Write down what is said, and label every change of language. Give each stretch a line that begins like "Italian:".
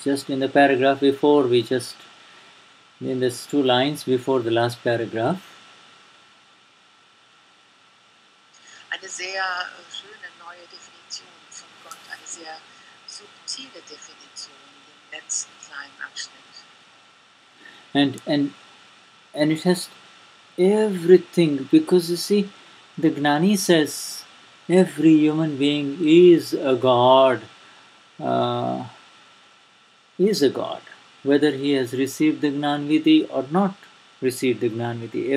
English: Just in the paragraph before, in these two lines before the last paragraph.
German: Eine sehr schöne neue Definition von Gott, eine sehr subtile Definition in dem letzten kleinen Abschnitt.
English: And it has everything, because you see, the Gnani says every human being is a god, whether he has received the Gnanvidhi or not received the Gnanvidhi.